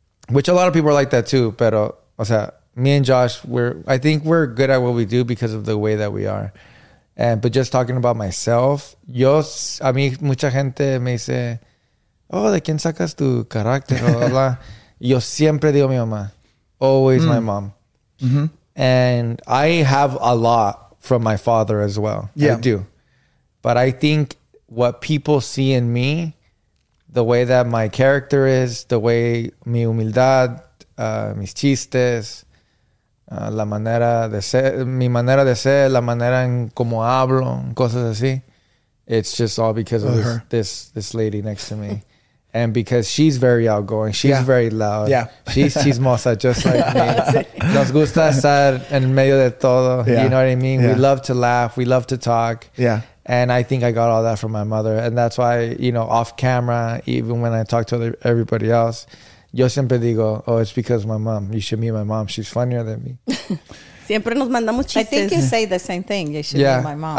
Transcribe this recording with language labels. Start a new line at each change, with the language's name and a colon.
English: Which a lot of people are like that too.
Spanish: Pero, o sea,
English: me and Josh, I think we're good at what we do because of the way that we are. But just talking about myself,
Spanish: yo, a mí mucha gente me dice, oh, ¿de quién sacas tu carácter? Yo siempre digo mi mamá.
English: Always my mom. Mm-hmm. And I have a lot from my father as well. Yeah. I do. But I think what people see in me, the way that my character is, the way
Spanish: mi humildad, mis chistes, la manera de ser, mi manera de ser, la manera en como hablo, cosas así.
English: It's just all because of this lady next to me. And because she's very outgoing, she's very loud. Yeah. She's chismosa just like me.
Spanish: Nos gusta estar en medio de todo.
English: Yeah. You know what I mean? Yeah. We love to laugh. We love to talk. Yeah. And I think I got all that from my mother. And that's why, you know, off camera, even when I talk to everybody else,
Spanish: yo siempre digo,
English: oh, it's because of my mom. You should meet my mom. She's funnier than me.
Spanish: Siempre nos mandamos chistes.
English: I think you say the same thing. You should yeah. be my mom.